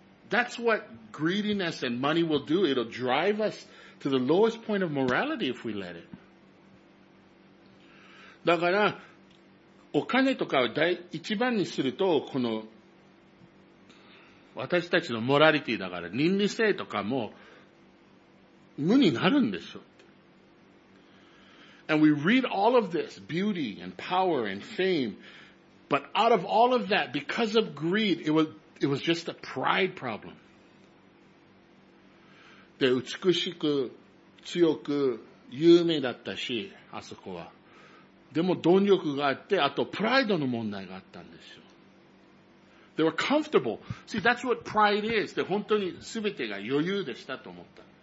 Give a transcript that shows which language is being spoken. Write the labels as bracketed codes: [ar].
[en] That's what greediness and money will do. It'll drive us to the lowest point of morality if we let it. [ja] だから、お金とかを一番にすると、この、私たちのモラリティだから、倫理性とかも、無になるんですよ。 [en] And we read all of this, beauty and power and fame, but out of all of that, because of greed, it was just a pride problem. [ja] で、美しく、強く、有名だったし、あそこは。でも、貪欲があって、あと、プライドの問題があったんですよ。 [en] They were comfortable. See, that's what pride is. [ja] で、本当に全てが余裕でしたと思った。